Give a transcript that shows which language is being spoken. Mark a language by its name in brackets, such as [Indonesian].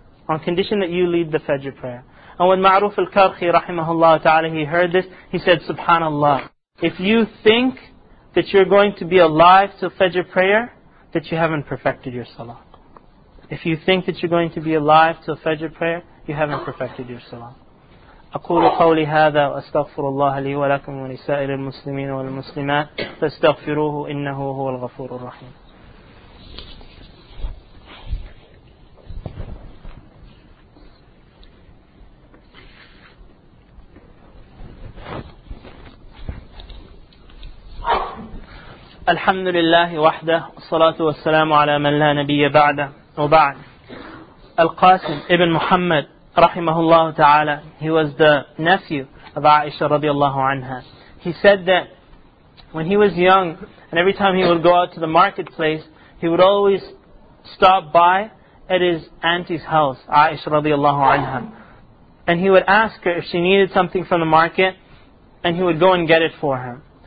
[English] On condition that you lead the Fajr prayer. And when Ma'ruf al-Karkhi, rahimahullah ta'ala, he heard this, he said, subhanallah, if you think that you're going to be alive till Fajr prayer, that you haven't perfected your salah. If you think that you're going to be alive till Fajr prayer, you haven't perfected your salah. [Arabic] أقول قولي هذا وأستغفر الله لي ولكم ولسائر المسلمين والمسلمات فاستغفروه إنه هو الغفور الرحيم. الحمد لله وحده والصلاة والسلام على من لا نبي بعده وبعد. [English] القاسم ابن محمد [Arabic] رحمه تعالى, [English] he was the nephew of Aisha radiallahu anha. He said that when he was young and every time he would go out to the marketplace, he would always stop by at his auntie's house, Aisha radiallahu anha, and he would ask her if she needed something from the market and he would go and get it for her.